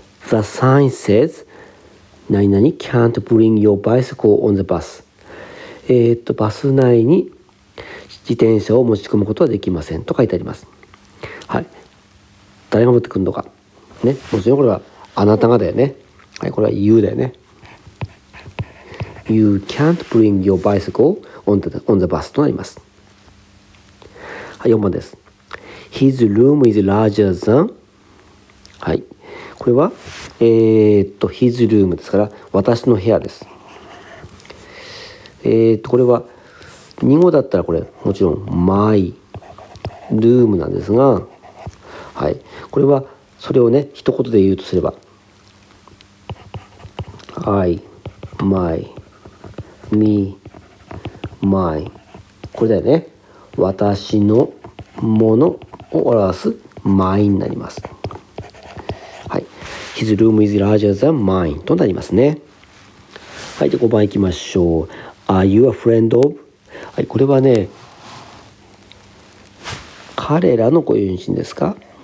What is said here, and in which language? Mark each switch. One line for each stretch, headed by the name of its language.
English: The sign says
Japanese: 何々
English: can't bring your bicycle on the bus。
Japanese: バス内に自転車を持ち込むことはできませんと書いてあります。はい、誰が持ってくるのかね。もちろんこれはあなたがだよね。はい、これは You だよね。
English: You can't bring your bicycle on the bus
Japanese: となります。はい、4番です。
English: His room is larger than。
Japanese: はい、これは His room ですから、私の部屋です。これは2語だったら、これもちろん
English: my room
Japanese: なんですが、はい、これはそれをね、一言で言うとすれば、
English: I my me my、
Japanese: これだよね。私のものを表す my になります。はい、
English: His room is larger than mine
Japanese: となりますね。はい、じゃあ5番いきましょう。
English: Are you a friend of。
Japanese: はい、これはね、彼らのご友人ですか？